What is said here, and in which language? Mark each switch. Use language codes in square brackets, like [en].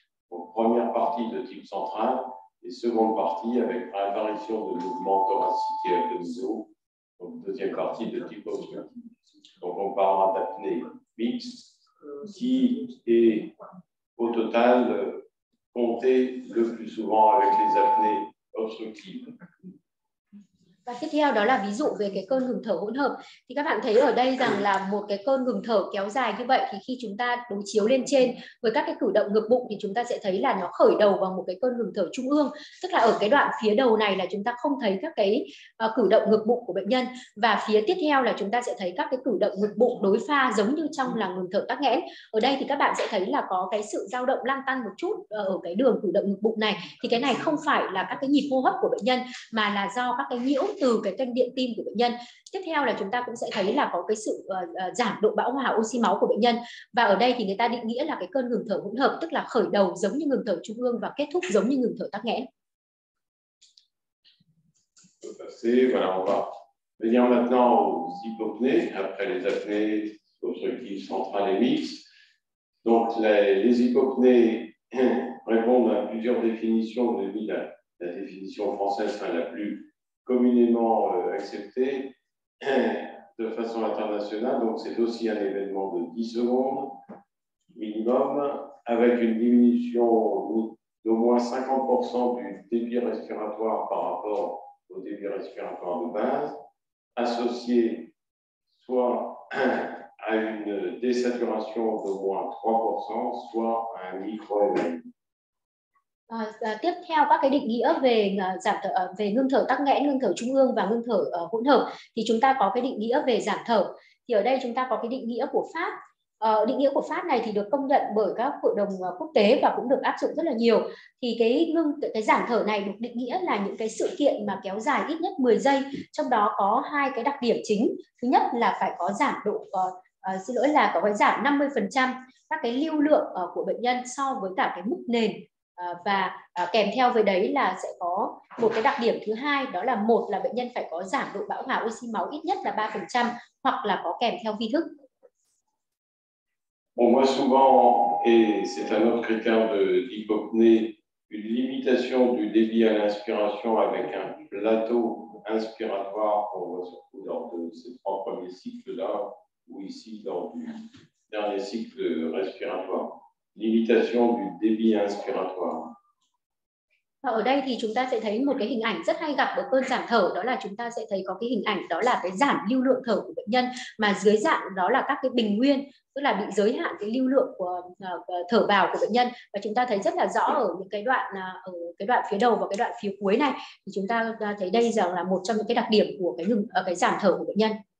[fr] Donc, première partie de type central. Et seconde partie avec réapparition de mouvements thoraciques et abdominaux, donc deuxième partie de type obstructif. Donc on parlera d'apnée mixte qui est au total comptée le plus souvent avec les apnées obstructives. [vi] Và tiếp theo đó là ví dụ về cái cơn ngừng thở hỗn hợp. Thì các bạn thấy ở đây rằng là một cái cơn ngừng thở kéo dài như vậy thì khi chúng ta đối chiếu lên trên với các cái cử động ngược bụng thì chúng ta sẽ thấy là nó khởi đầu bằng một cái cơn ngừng thở trung ương. Tức là ở cái đoạn phía đầu này là chúng ta không thấy các cái cử động ngược bụng của bệnh nhân. Và phía tiếp theo là chúng ta sẽ thấy các cái cử động ngược bụng đối pha giống như trong là ngừng thở tắc nghẽn. Ở đây thì các bạn sẽ thấy là có cái sự dao động lăn tăn một chút ở cái đường cử động ngược bụng này. Thì cái này không phải là các cái nhịp hô hấp của bệnh nhân mà là do các cái nhiễu từ cái kênh điện tim của bệnh nhân. Tiếp theo là chúng ta cũng sẽ thấy là có cái sự giảm độ bão hòa oxy máu của bệnh nhân. Và ở đây thì người ta định nghĩa là cái cơn ngừng thở hỗn hợp, tức là khởi đầu giống như ngừng thở trung ương và kết thúc giống như ngừng thở tắc nghẽn. [fr] Merci. Voilà, on va venir maintenant aux hypopnées après les apnées obstructives centrales et mixtes. Donc les hypopnées répondent à plusieurs définitions, mais la définition française enfin la plus communément accepté de façon internationale. Donc, c'est aussi un événement de 10 secondes minimum avec une diminution d'au moins 50% du débit respiratoire par rapport au débit respiratoire de base, associé soit à une désaturation d'au moins 3%, soit à un micro-événement. [vi] Tiếp theo các cái định nghĩa về về ngưng thở tắc nghẽn, ngưng thở trung ương và ngưng thở hỗn hợp thì chúng ta có cái định nghĩa về giảm thở. Thì ở đây chúng ta có cái định nghĩa của Pháp. Định nghĩa của Pháp này thì được công nhận bởi các hội đồng quốc tế và cũng được áp dụng rất là nhiều. Thì cái giảm thở này được định nghĩa là những cái sự kiện mà kéo dài ít nhất 10 giây, trong đó có hai cái đặc điểm chính. Thứ nhất là phải có giảm độ có cái giảm 50% các cái lưu lượng của bệnh nhân so với cả cái mức nền. Và kèm theo với đấy là sẽ có một cái đặc điểm thứ hai, đó là một là bệnh nhân phải có giảm độ bão hòa oxy máu ít nhất là 3% hoặc là có kèm theo vi thức. [fr] On voit souvent, et c'est un autre critère de d'hypopnée, une limitation du débit à l'inspiration avec un plateau inspiratoire qu'on voit surtout lors de ces trois premiers cycles-là, ou ici lors du dernier cycle respiratoire. Limitation du débit inspiratoire. [vi] Và ở đây thì chúng ta sẽ thấy một cái hình ảnh rất hay gặp ở cơn giảm thở, đó là chúng ta sẽ thấy có cái hình ảnh đó là cái giảm lưu lượng thở của bệnh nhân mà dưới dạng đó là các cái bình nguyên, tức là bị giới hạn cái lưu lượng của thở vào của bệnh nhân. Và chúng ta thấy rất là rõ ở những cái đoạn, ở cái đoạn phía đầu và cái đoạn phía cuối này, thì chúng ta thấy đây rằng là một trong những cái đặc điểm của cái ngừng, cái giảm thở của bệnh nhân.